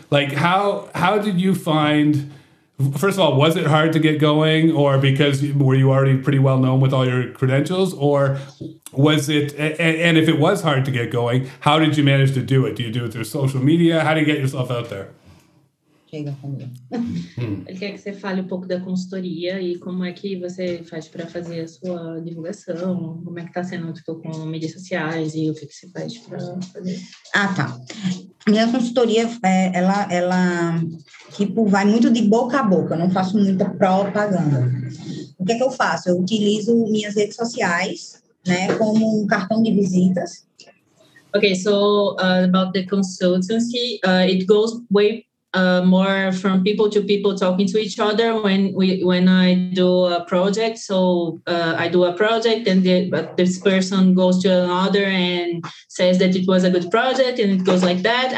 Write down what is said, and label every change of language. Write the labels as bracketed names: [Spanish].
[English] Like, how did you find... First of all, was it hard to get going, or because were you already pretty well known with all your credentials, or was it, and if it was hard to get going, how did you manage to do it? Do you do it through social media? How do you get yourself out there? [Portuguese] Ele quer que você fale um pouco da consultoria e como é que você faz para fazer a sua divulgação, como é que está sendo tipo, com mídias sociais e o que você faz para fazer. Ah, tá. Minha consultoria, ela tipo, vai muito de boca a boca, eu não faço muita propaganda. O que é que eu faço? Eu utilizo minhas redes sociais, né, como um cartão de visitas. [English] Ok, so about the consultancy, it goes way more from people to people talking to each other when I do a project. So I do a project and this person goes to another and says that it was a good project and it goes like that.